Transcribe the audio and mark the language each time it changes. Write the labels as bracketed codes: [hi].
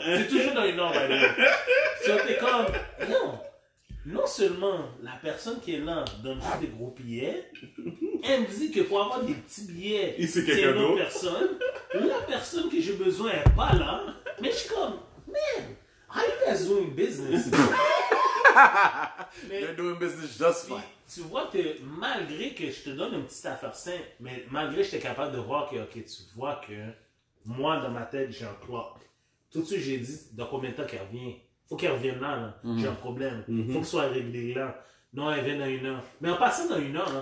[fr] C'est toujours dans une heure, elle est là. Tu es comme, non. Non seulement la personne qui est là donne juste des gros billets, elle me dit que pour avoir des petits billets, c'est une autre personne. La personne que j'ai besoin n'est pas là. Mais je suis comme, [en] man, how you guys doing business? Mais, you're doing business just fine. Puis, [fr] tu vois que malgré que je te donne une petite affaire simple, mais malgré que j'étais capable de voir que, OK, tu vois que moi, dans ma tête, j'ai un clock. Tout de suite, j'ai dit, dans combien de temps qu'elle revient? Faut qu'elle revienne là, là. Mm-hmm. J'ai un problème. Mm-hmm. Faut que ce soit réglé là. Non, elle vient dans une heure. Mais en passant dans une heure, hein,